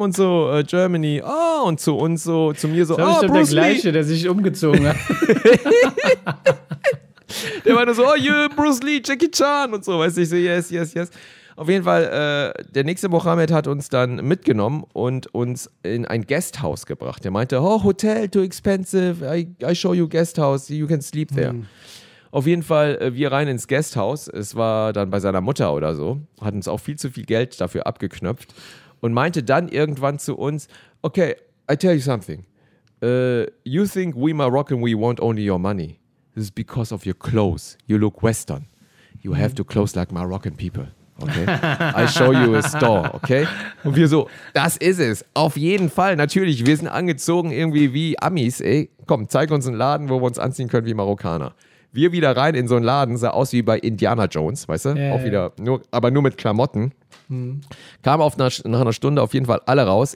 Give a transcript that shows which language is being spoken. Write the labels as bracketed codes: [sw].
[de] Und so, Germany. Oh, und zu uns so, zu mir so, Bruce Lee. Das ist der gleiche, der sich umgezogen hat. Der war nur so, Bruce Lee, Jackie Chan und so, weißt du, ich so, [en] yes, yes, yes. [de] Auf jeden Fall, der nächste Mohammed hat uns dann mitgenommen und uns in ein Guesthaus gebracht. Der meinte, [en] oh, Hotel, too expensive, I show you Guesthaus, you can sleep there. [de] Auf jeden Fall, wir rein ins Guesthaus. Es war dann bei seiner Mutter oder so. Hat uns auch viel zu viel Geld dafür abgeknöpft. Und meinte dann irgendwann zu uns, [en] okay, I tell you something. You think we Moroccan, we want only your money. This is because of your clothes. You look Western. You have to close like Moroccan people. Okay? I show you a store, okay? [de] Und wir so, das ist es. Auf jeden Fall, natürlich. Wir sind angezogen irgendwie wie Amis, ey. Komm, zeig uns einen Laden, wo wir uns anziehen können wie Marokkaner. Wir wieder rein in so einen Laden, sah aus wie bei Indiana Jones, weißt du? Yeah, auch wieder, aber nur mit Klamotten. Kam nach einer Stunde auf jeden Fall alle raus.